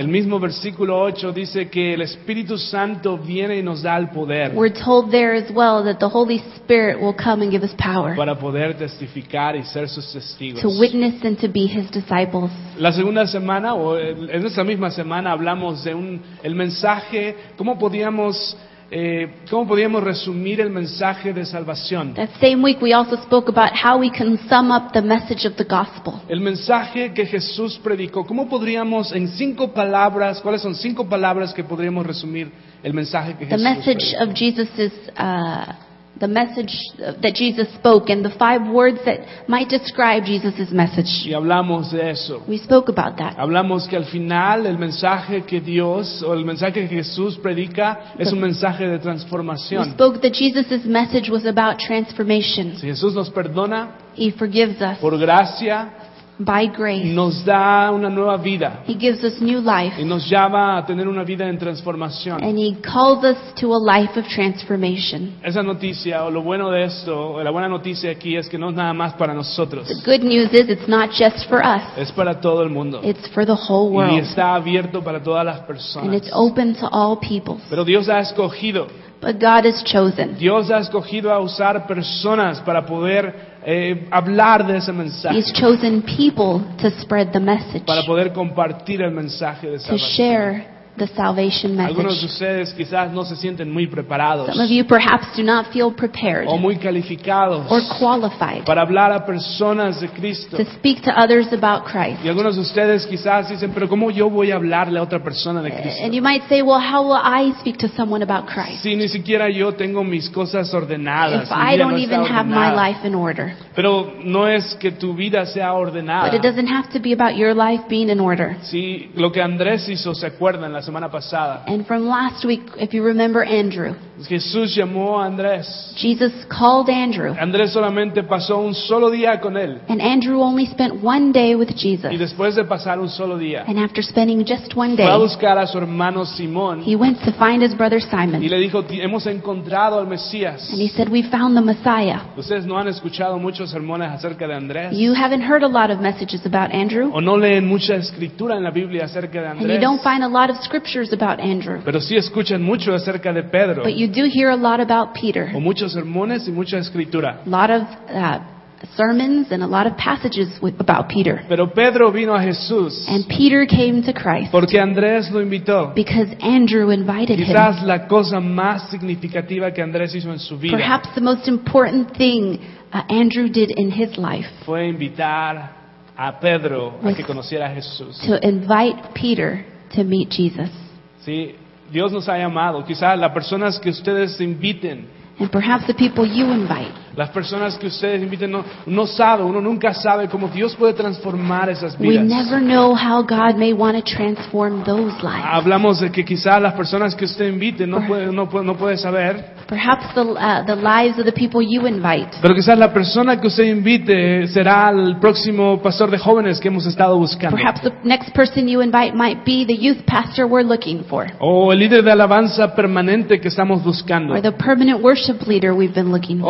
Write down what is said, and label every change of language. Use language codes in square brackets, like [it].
[es] El mismo versículo 8 dice que el Espíritu Santo viene y nos da el poder. [en] We're told there prayer as well that the Holy Spirit will come and give us power. [es] Para poder testificar y ser sus testigos. [en] To witness and to be His disciples. [es] La segunda semana, o en esa misma semana, hablamos de el mensaje, cómo podíamos resumir el mensaje de salvación. [en] That same week we also spoke about how we can sum up the message of the gospel. [es] El mensaje que Jesús predicó, cómo podríamos en cinco palabras, cuáles son cinco palabras que podríamos resumir el mensaje que [en] the [es] Jesús [en] message [es] predicó. [en] Of Jesus's the message that Jesus spoke and the five words that might describe Jesus's message. [es] Y hablamos de eso. [en] We spoke about that. [es] Hablamos que al final el mensaje que Dios o el mensaje que Jesús predica es un mensaje de transformación. [en] We spoke that Jesus's message was about transformation. [es] Si Jesús nos perdona, [en] He forgives us. [es] Por gracia, [en] by grace, [es] nos da una nueva vida. [en] He gives us new life. [es] Y nos llama a tener una vida en transformación. [en] And He calls us to a life of transformation. [es] Esa noticia, o lo bueno de esto, o la buena noticia aquí es que no es nada más para nosotros. [en] The good news is it's not just for us. [es] Es para todo el mundo. [en] It's for the whole world. [es] Y está abierto para todas las personas. [en] And it's open to all peoples. [es] Pero Dios ha escogido. [en] But God has chosen. [es] Dios ha escogido a usar personas para poder hablar de ese mensaje. [en] He's chosen people to spread the message. [es] Para poder compartir el mensaje de salvación. [en] To share the salvation message. [es] Algunos de ustedes quizás no se sienten muy preparados. [en] Some of you perhaps do not feel prepared. [es] O muy calificados. [en] Or qualified. [es] Para hablar a personas de Cristo. [en] To speak to others about Christ. [es] Y algunos de ustedes quizás dicen, pero ¿cómo yo voy a hablarle a otra persona de Cristo? [en] And you might say, well, how will I speak to someone about Christ? [es] Si ni siquiera yo tengo mis cosas ordenadas. [en] If I don't even have my life in order. [es] Pero no es que tu vida sea ordenada. [en] But it doesn't have to be about your life being in order. [es] Si lo que Andrés hizo, ¿se acuerdan? La semana pasada. [en] And from last week, if you remember Andrew, [es] Jesús llamó a Andrés. [en] Jesus called Andrew. [es] Andrés solamente pasó un solo día con él. [en] And Andrew only spent one day with Jesus. [es] Y después de pasar un solo día, [en] and after spending just one day, [es] fue a buscar a su hermano Simón. [en] He went to find his brother Simon. [es] Y le dijo, hemos encontrado al Mesías. [en] And he said, we found the Messiah. [es] Ustedes no han escuchado muchos sermones acerca de Andrés. [en] You haven't heard a lot of messages about Andrew. [es] O no leen mucha escritura en la Biblia acerca de Andrés. [en] And you don't find a lot of scriptures about Andrew. [es] Pero sí escuchan mucho acerca de Pedro. [en] But you do hear a lot about Peter. [es] O muchos sermones y mucha escritura. [en] A lot of sermons and a lot of passages about Peter. [es] Pero Pedro vino a Jesús. [en] And Peter came to Christ. [es] Porque Andrés lo invitó. [en] Because Andrew invited [es] Quizás [en] him. [es] Quizás la cosa más significativa que Andrés hizo en su vida. [en] Perhaps the most important thing Andrew did in his life. [es] Fue invitar a Pedro a que conociera a Jesús. [en] To invite Peter to meet Jesus. [es] Sí, Dios nos ha llamado. Quizá las personas que ustedes inviten. [en] And perhaps the people you invite. [es] Las personas que ustedes inviten no sabe, uno nunca sabe cómo Dios puede transformar esas vidas. [en] We never know how God may want to transform those lives. [es] Hablamos de que quizá las personas que usted invite no puede saber. [en] Perhaps the lives of the people you invite. [es] Pero quizás la persona que usted invite será el próximo pastor de jóvenes que hemos estado buscando. [en] Perhaps the next person you invite might be the youth pastor we're looking for. [es] O el líder de alabanza permanente que estamos buscando. [en] Or the permanent worship leader we've been looking for.